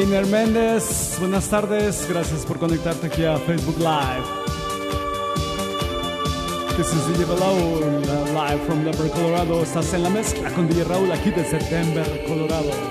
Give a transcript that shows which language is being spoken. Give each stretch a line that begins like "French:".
Spanish: Méndez, buenas tardes, gracias por conectarte aquí a Facebook Live.
English: This is DJ Raul, live from Denver, Colorado.
Spanish: Estás en la mezcla con DJ Raul aquí desde Denver, Colorado.